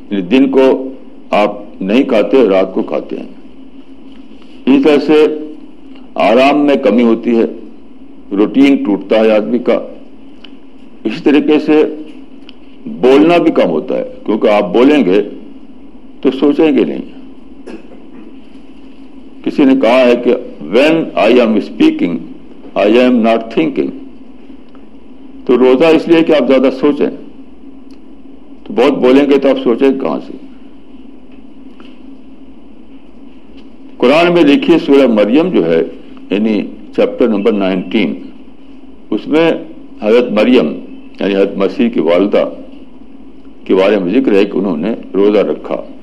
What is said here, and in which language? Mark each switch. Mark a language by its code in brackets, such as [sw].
[ur] دن کو آپ نہیں کھاتے, رات کو کھاتے ہیں. اس طرح سے آرام میں کمی ہوتی ہے, روٹین ٹوٹتا ہے آدمی کا. اس طریقے سے بولنا بھی کم ہوتا ہے, کیونکہ آپ بولیں گے تو سوچیں گے نہیں. کسی نے کہا ہے کہ [en] when I am speaking I am not thinking. [ur] تو روزہ اس لیے کہ آپ زیادہ سوچیں, تو بہت بولیں گے تو آپ سوچیں کہاں سے. قرآن میں لکھی سورہ مریم جو ہے یعنی چیپٹر نمبر 19, اس میں حضرت مریم یعنی حضرت مسیح کی والدہ کے بارے میں ذکر ہے کہ انہوں نے روزہ رکھا.